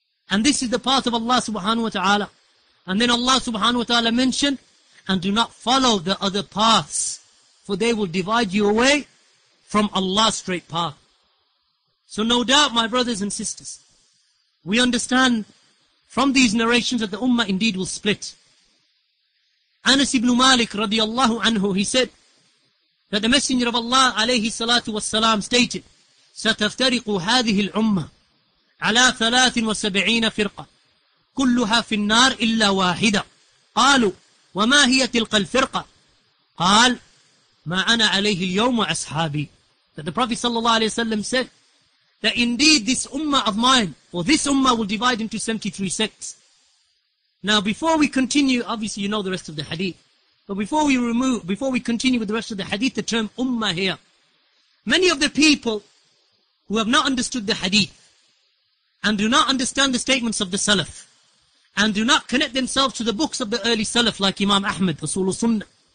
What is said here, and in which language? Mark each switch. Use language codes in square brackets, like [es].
[en] And this is the path of Allah subhanahu wa ta'ala. And then Allah subhanahu wa ta'ala mentioned, and do not follow the other paths, for they will divide you away from Allah's straight path. So no doubt, my brothers and sisters, we understand from these narrations that the ummah indeed will split. Anas ibn Malik radiallahu anhu, he said, that the Messenger of Allah alayhi salatu wassalam stated, [ar] ستفترق هذه الأمة على 73 فرقة كلها في النار إلا واحدة قالوا وما هي تلك الفرقة قال ما أنا عليه اليوم وأصحابي. [en] That the Prophet sallallahu alayhi wa sallam said that indeed this ummah of mine, or this ummah, will divide into 73 sects. Now before we continue, obviously you know the rest of the hadith, but before we continue with the rest of the hadith, the term ummah here, many of the people who have not understood the hadith and do not understand the statements of the Salaf and do not connect themselves to the books of the early Salaf like Imam Ahmad, Usul Sunnah,